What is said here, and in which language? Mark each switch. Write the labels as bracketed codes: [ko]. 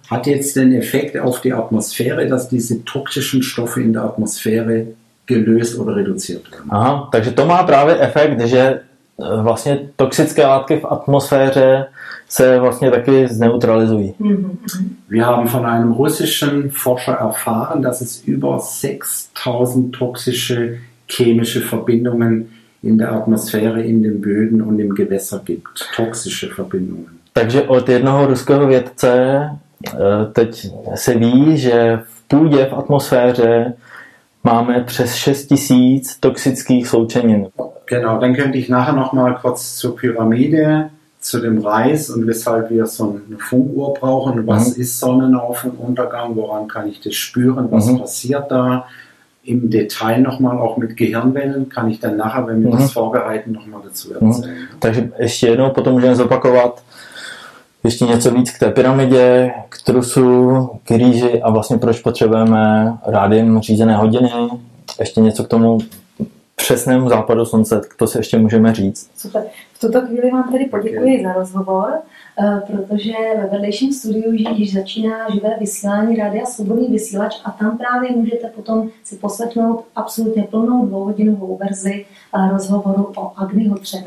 [de] Hat jetzt den Effekt auf die Atmosphäre, dass diese toxischen Stoffe in der Atmosphäre gelöst oder reduziert werden. [cs] Aha, takže to má právě efekt, že vlastně toxické látky v atmosféře se vlastně taky zneutralizují. [de] Wir haben von einem russischen Forscher erfahren, dass es über 6000 toxische chemische Verbindungen in der Atmosphäre, in den Böden und im Gewässer gibt. Toxische Verbindungen. [cs] Takže od jednoho ruského vědce teď se ví, že v půdě, v atmosféře máme přes 6000 toxických sloučenin. [de] Genau, dann könnte ich nachher noch mal kurz zur Pyramide, zu dem Reis und weshalb wir so eine Funkuhr brauchen. Was ist Sonnenauf- und Untergang? Woran kann ich das spüren? Was passiert da? Im Detail noch mal auch mit Gehirnwellen kann ich dann nachher, wenn wir das vorbereiten, noch mal dazu erzählen. [cs] Takže ještě jednou potom můžeme zopakovat ještě něco víc k té pyramidě, k trusu, k rýži a vlastně proč potřebujeme rádiem řízené hodiny. Ještě něco k tomu přesnému západu slunce, to si ještě můžeme říct. Super. V tuto chvíli vám tedy poděkuji za rozhovor, protože ve vedlejším studiu již začíná živé vysílání Rádia Svobodný vysílač a tam právě můžete potom si poslechnout absolutně plnou dvouhodinovou verzi rozhovoru o Agni Hotře.